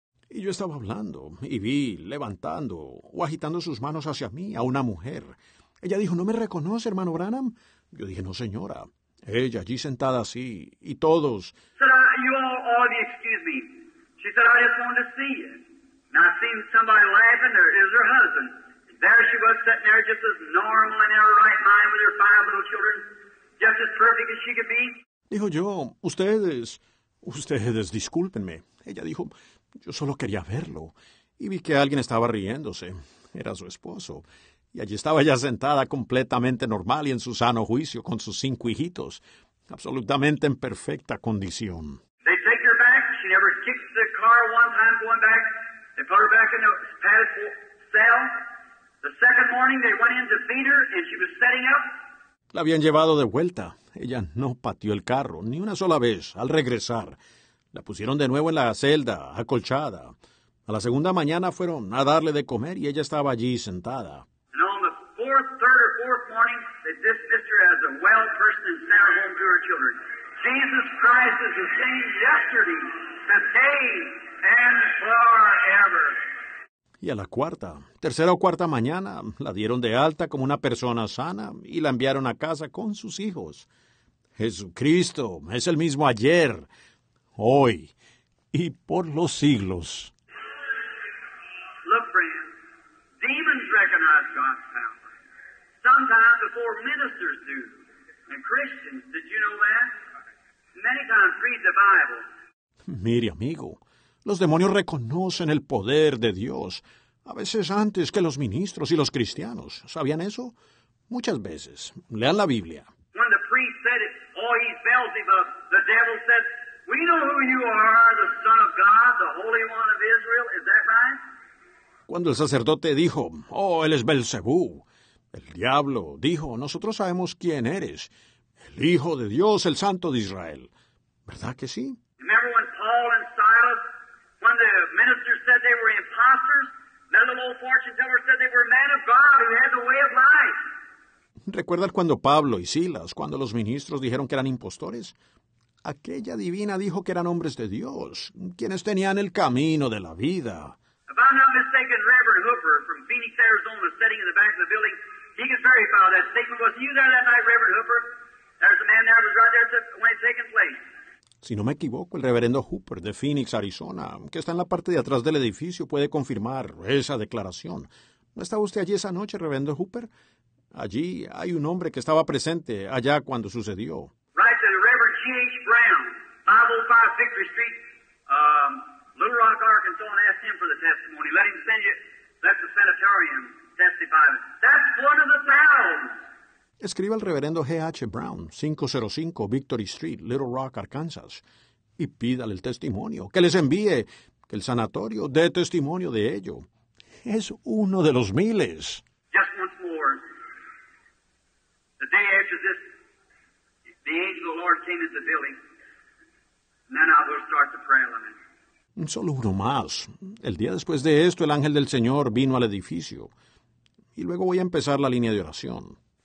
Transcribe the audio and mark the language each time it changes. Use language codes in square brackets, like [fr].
[es] Y yo estaba hablando, y vi, levantando, o agitando sus manos hacia mí, a una mujer. Ella dijo, ¿no me reconoce, hermano Branham? Yo dije, no, señora. Ella allí sentada así, y todos. [en] Said, you all of you, excuse me. She said, I just wanted to see you. And I seen somebody laughing, there is her husband. And there she was sitting there just as normal in her right mind with her 5 little children, just as perfect as she could be. [es] Dijo yo, ustedes... Ustedes, discúlpenme. Ella dijo, yo solo quería verlo. Y vi que alguien estaba riéndose. Era su esposo. Y allí estaba ella sentada completamente normal y en su sano juicio con sus 5 hijitos. Absolutamente en perfecta condición. [en] They take her back. She never kicked the car one time going back. They put her back in the padded cell. The second morning they went in to feed her and she was setting up. [es] La habían llevado de vuelta. Ella no pateó el carro ni una sola vez al regresar. La pusieron de nuevo en la celda, acolchada. A la segunda mañana fueron a darle de comer y ella estaba allí sentada. [en] And on the fourth, third or fourth morning, they dismissed her as a well person and sent her home to her children. Jesus Christ is the same yesterday, today, and forever. [es] Y a la cuarta, tercera o cuarta mañana, la dieron de alta como una persona sana y la enviaron a casa con sus hijos. Jesucristo es el mismo ayer, hoy y por los siglos. [en] Look, friend, demons recognize God's power. Sometimes before ministers do. And Christians, did you know that? Many times read the Bible. [es] Mire, amigo, los demonios reconocen el poder de Dios. A veces antes que los ministros y los cristianos. ¿Sabían eso? Muchas veces. Lean la Biblia. [en] When the priest said it, oh, he's Beelzebub, the devil said, we know who you are, the Son of God, the Holy One of Israel. Is that right? [es] Cuando el sacerdote dijo, oh, él es Belcebú, el diablo dijo, nosotros sabemos quién eres, el Hijo de Dios, el Santo de Israel. ¿Verdad que sí? [en] Remember when Paul and Silas, when the ministers said they were imposters, none of the old fortune tellers said they were men of God who had the way of life. [es] ¿Recuerdas cuando Pablo y Silas, cuando los ministros dijeron que eran impostores? Aquella divina dijo que eran hombres de Dios, quienes tenían el camino de la vida. [en] If I'm not mistaken, Reverend Hooper from Phoenix, Arizona, sitting in the back of the building, he can verify that statement. Was you there that night, Reverend Hooper? There's a man there who's right there when it's taking place. [es] Si no me equivoco, el reverendo Hooper de Phoenix, Arizona, que está en la parte de atrás del edificio, puede confirmar esa declaración. ¿No estaba usted allí esa noche, reverendo Hooper? Allí hay un hombre que estaba presente allá cuando sucedió. [en] Right, the Reverend G.H. Brown, 505 Victory Street, Little Rock, Arkansas, and asked him for the testimony. Let him send you, let the sanitarium testify. That's one of the thousands. [es] Escribe al reverendo G.H. Brown, 505 Victory Street, Little Rock, Arkansas, y pídale el testimonio, que les envíe, que el sanatorio dé testimonio de ello. Es uno de los miles. [en] Just once more. The day after this, the angel of the Lord came into the building, and then I will start the prayer line. [es] Solo uno más. El día después de esto, el ángel del Señor vino al edificio, y luego voy a empezar la línea de oración.